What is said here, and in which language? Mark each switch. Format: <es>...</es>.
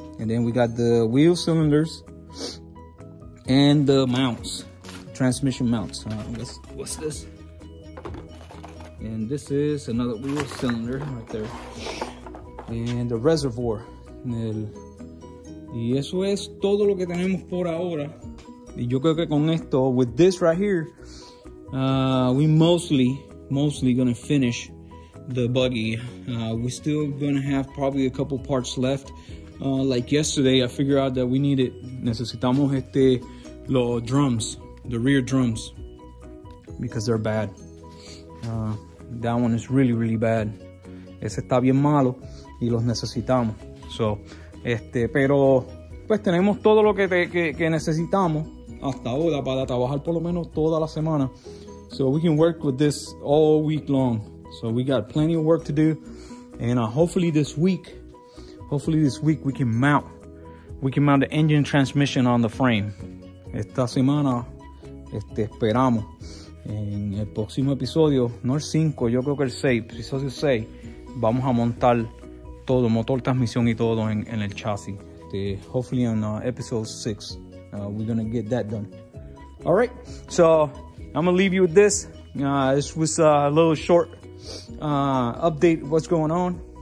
<en>And then we got the wheel cylinders and the mounts. Transmission mounts. What's this? And this is another wheel cylinder right there. And the reservoir.</en> <es>Y eso es todo lo que tenemos por ahora. Y yo creo que con esto,</es> <en>with this right here, we mostly gonna finish the buggy. We're still gonna have probably a couple parts left. Like yesterday, I figured out that we needed,</en> <es>necesitamos los</es> <en>drums. The rear drums, because they're bad. That one is really, really bad.</en> <es>Ese está bien malo y los necesitamos. So, pero pues tenemos todo lo que necesitamos hasta ahora para trabajar por lo menos toda la semana.</es> <en>So we can work with this all week long. So we got plenty of work to do, and hopefully this week we can mount the engine transmission on the frame.</en> <es>Esta semana. Esperamos en el próximo episodio, no el 5, yo creo que el 6, episodio 6, vamos a montar todo, motor, transmisión y todo en el chasis.</es> <en>Hopefully on episode 6, we're gonna get that done. All right, so I'm gonna leave you with this. This was a little short update of what's going on.</en>